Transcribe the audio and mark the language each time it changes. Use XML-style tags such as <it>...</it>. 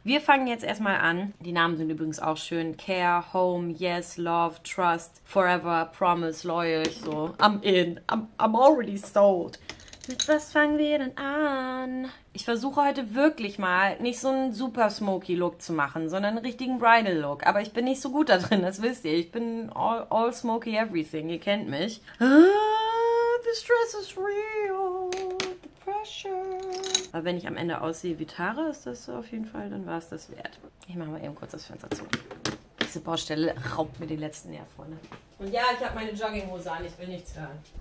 <de>Wir fangen jetzt erstmal an. Die Namen sind übrigens auch schön. Care, Home, Yes, Love, Trust, Forever, Promise, Loyal, so.</de> <en>I'm already sold.</en> <de>Mit was fangen wir denn an? Ich versuche heute wirklich mal nicht so einen super smoky Look zu machen, sondern einen richtigen Bridal Look. Aber ich bin nicht so gut da drin, das wisst ihr. Ich bin</de> <en>all smoky everything,</en> <de>ihr kennt mich.</de> <en>Ah, the stress is real, the pressure.</en> <de>Aber wenn ich am Ende aussehe wie Tara, ist das auf jeden Fall, dann war es das wert. Ich mache mal eben kurz das Fenster zu. Diese Baustelle raubt mir den letzten Nerv, Freunde. Und ja, ich habe meine Jogginghose an, ich will nichts hören.</de>